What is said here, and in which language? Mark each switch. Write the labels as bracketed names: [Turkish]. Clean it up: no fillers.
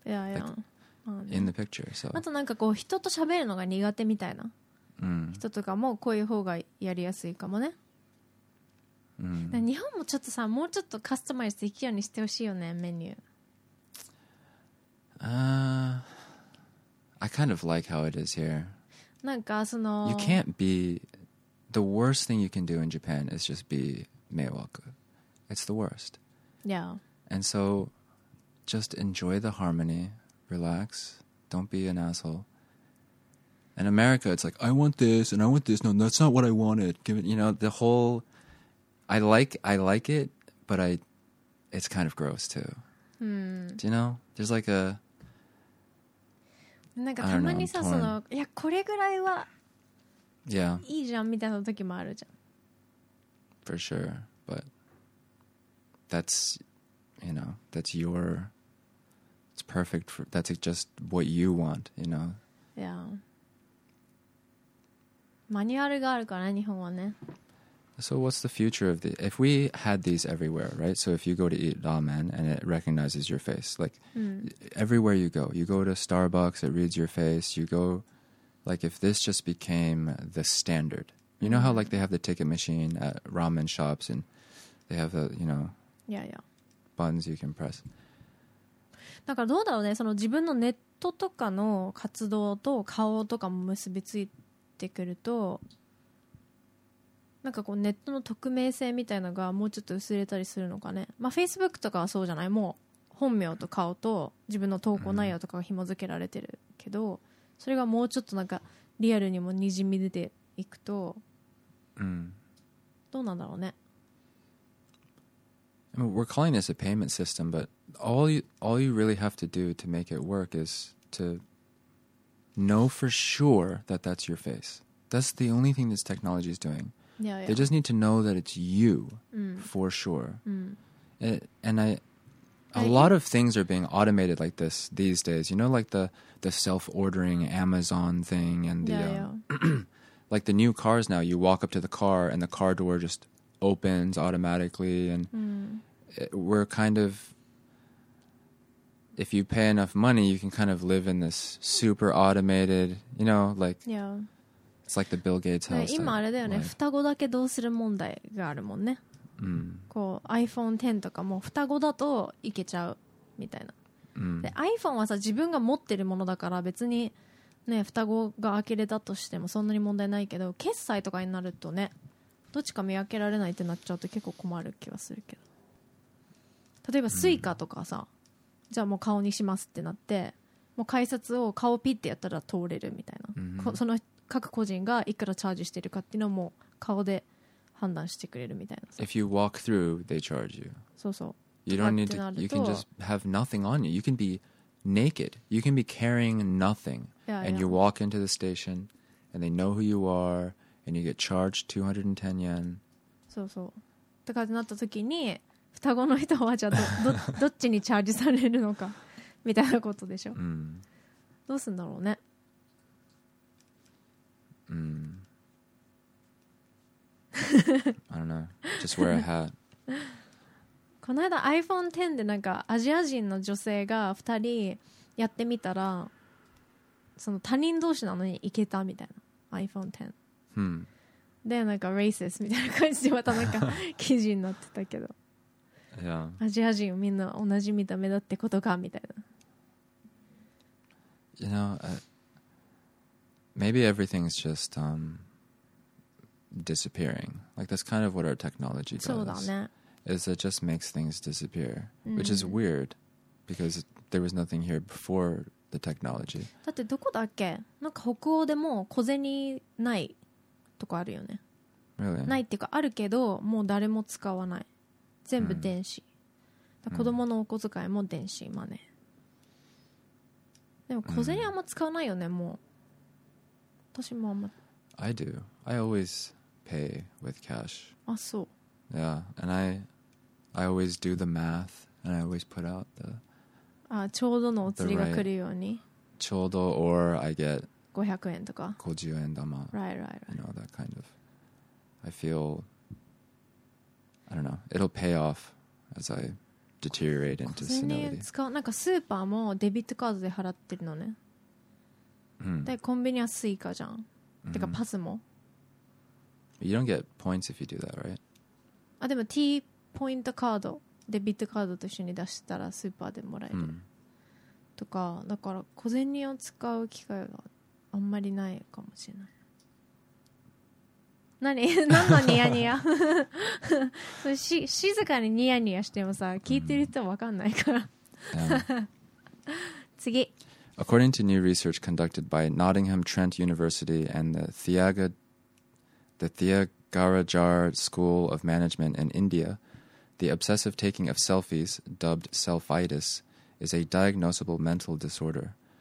[English] Yeah, yeah. In the picture, so. [Japanese] あとなんかこう人と喋るのが苦手みたいな、人とかもこういう方がやりやすいかもね、だから日本もちょっとさ、もうちょっとカスタマイズできるようにしてほしいよね、メニュー。 [English] I kind of like how it is here. [Japanese] なんかその [English] You can't be The worst thing you can do in Japan is just be 迷惑 It's the worst. Yeah. And so just enjoy the harmonyRelax. Don't be an asshole. In America, it's like, I want this and I want this. No, that's not what I wanted. Give it, you know, the whole, I like it, but it's kind of gross too. Do you know? There's like a, [Japanese] なんかたまにさ、その、いや、これぐらいは、 [English] yeah. [Japanese] いいじゃんみたいな時もあるじゃん。 [English] For sure. But that's, you know, that's your,It's perfect for, that's just what you want, you know? Yeah. [Japanese] マニュアルがあるから、日本はね。 [English] So what's the future of the, if we had these everywhere, right? So if you go to eat ramen and it recognizes your face, like everywhere you go to Starbucks, it reads your face, you go, like if this just became the standard, you know how like they have the ticket machine at ramen shops and they have the, you know, yeah, yeah. buttons you can press. [Japanese] だからどうだろうね、その自分のネットとかの活動と顔とかも結びついてくると、なんかこうネットの匿名性みたいのがもうちょっと薄れたりするのかね。まあ Facebook とかはそうじゃない、もう本名と顔と自分の投稿内容とかが紐付けられてるけど、うん、それがもうちょっとなんかリアルにもにじみ出ていくと、うん、どうなんだろうね。 [English] I mean, we're calling this a payment system, but all you really have to do to make it work is to know for sure that that's your face. That's the only thing this technology is doing. Yeah, yeah. They just need to know that it's you, for sure. A lot of things are being automated like this these days. You know, like the self-ordering Amazon thing and the... Yeah, yeah. like the new cars now, you walk up to the car and the car door just opens automatically. And we're kind of... If you pay enough money, you can kind of live in this super automated, you know, like... Yeah. It's like the Bill Gates house. [Japanese] 今あれだよね。双子だけどうする問題があるもんね。こう iPhone X とかも双子だといけちゃうみたいな、で iPhone はさ自分が持ってるものだから別にね双子が呆れたとしてもそんなに問題ないけど、決済とかになるとねどっちか見分けられないってなっちゃうと結構困る気はするけど、例えばスイカとかさ、じゃあもう顔にしますってなってもう改札を顔ピッてやったら通れるみたいな、その各個人がいくらチャージしてるかっていうのをもう顔で判断してくれるみたいな。 [English] If you walk through, they charge you. [Japanese] そうそう。 [English] You don't need to. You can just have nothing on you. You can be naked. You can be carrying nothing. Yeah, and you walk into the station, and they know who you are, and you get charged 210 yen. [Japanese] そうそう。とかってなった時に、双子の人はじゃあ どっちにチャージされるのかみたいなことでしょ。どうすんだろうね。 [English] I don't know. Just wear a hat. [Japanese] この間 iPhone X でなんかアジア人の女性が2人やってみたら、その他人同士なのにいけたみたいな iPhone X、でなんか racist みたいな感じでまたなんか記事になってたけど、 [English] yeah. [Japanese] アジア人みんな同じ見た目だってことかみたいな。 [English] You know, maybe everything's just disappearing. Like that's kind of what our technology does. [Japanese] そうだね。 [English] Is it just makes things disappear, which is weird, because there was nothing here before the technology. [Japanese] だってどこだっけ？なんか北欧でも小銭ないとこあるよね。 Really? ないっていうかあるけど、もう誰も使わない。全部電子。だから子供のお小遣いも電子マネー。でも小銭あんま使わないよね、もう。私もあんま。 [English] I do. I always pay with cash. [Japanese] あ、そう。 [English] Yeah, and I always do the math, and I always put out the... [Japanese] あ、ちょうどのお釣りが来るように。 [English] ちょうど、or I get... [Japanese] 500円とか。 50円玉。 [English] Right. You know, that kind of... I feel... I don't know. It'll pay off as I deteriorate into senility. [Japanese] 小銭使う。なんかスーパーもデビットカードで払ってるのね。で、コンビニはスイカじゃん。てかパスも。 [English] You don't get points if you do that, right? [Japanese] あ、でも T ポイントカードデビットカードと一緒に出したらスーパーでもらえる。とか、だから小銭を使う機会があんまりないかもしれない。何？何のニヤニヤ？静かにニヤニヤしてもさ、聞いてる人わかんないから。次。 [English] According to new research conducted by Nottingham Trent University and the Thyagarajar School of Management in India, the obsessive taking of selfies, dubbed selfitis, is a diagnosable mental disorder.